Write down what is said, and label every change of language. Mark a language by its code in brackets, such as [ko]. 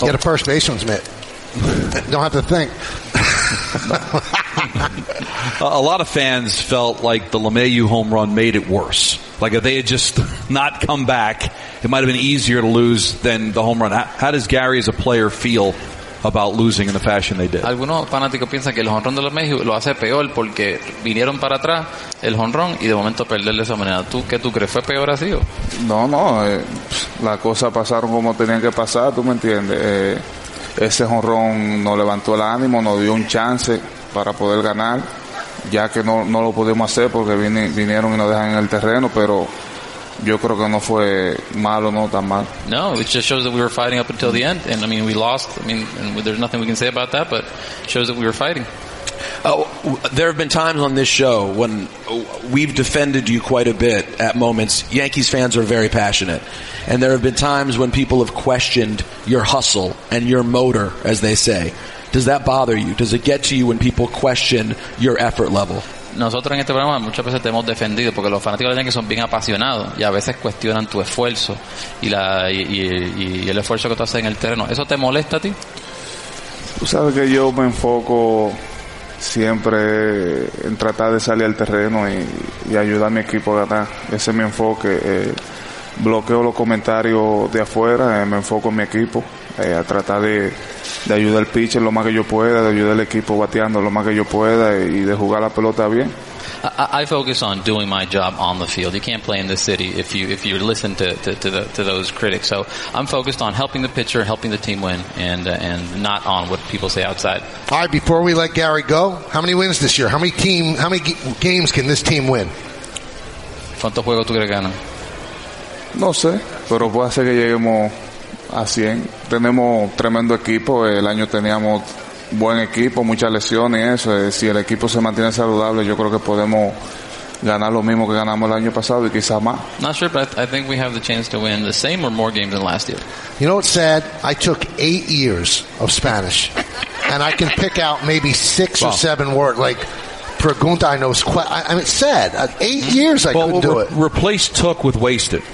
[en] Get a first baseman's mitt. Don't have to think. A lot of fans felt like the LeMahieu home run made it worse. Like if they had just not come back, it might have been easier to lose than the home run. How does Gary as a player feel about losing in the fashion they did. [es] Algunos fanáticos piensan que el jonrón de los Mets lo hace peor porque vinieron para atrás el jonrón y de momento perder de esa manera. ¿Tú qué tú crees? ¿Fue peor así o? No, no. Las cosas pasaron como tenían que pasar, tú me entiendes. Ese jonrón nos levantó el ánimo, nos dio un chance para poder ganar, ya que no lo pudimos hacer porque vinieron y nos dejan en el terreno, pero yo creo que no fue malo, no tan mal. [en] No, it just shows that we were fighting up until the end, and I mean, we lost. I mean, and there's nothing we can say about that, but it shows that we were fighting. There have been times on this show when we've defended you quite a bit at moments. Yankees fans are very passionate. And there have been times when people have questioned your hustle and your motor, as they say. Does that bother you? Does it get to you when people question your effort level? [es] Nosotros en este programa muchas veces te hemos defendido porque los fanáticos de Yankees son bien apasionados y a veces cuestionan tu esfuerzo y el esfuerzo que tú haces en el terreno. ¿Eso te molesta a ti? Tú sabes que yo me enfoco siempre en tratar de salir al terreno y ayudar a mi equipo a ganar. Ese es mi enfoque. Bloqueo los comentarios de afuera, me enfoco en mi equipo, a tratar de ayudar al pitcher lo más que yo pueda, de ayudar al equipo bateando lo más que yo pueda y de jugar la pelota bien. [en] I focus on doing my job on the field. You can't play in this city if you listen to those critics. So I'm focused on helping the pitcher, helping the team win, and not on what people say outside. All right, before we let Gary go, how many wins this year? How many games can this team win? [es] ¿Cuántos juegos tú quieres ganar? No sé, pero puede ser que lleguemos a 100. Tenemos tremendo equipo. El año teníamos buen equipo, muchas lesiones y eso. Si el equipo se mantiene saludable, yo creo que podemos ganar lo mismo que ganamos el año pasado y quizá más. [en] Not sure, but I think we have the chance to win the same or more games than last year. You know what's sad? I took 8 years of Spanish, and I can pick out maybe 6 or 7 words. Like, pregunta, I know, it's sad. 8 years I couldn't do it. Replace took with wasted.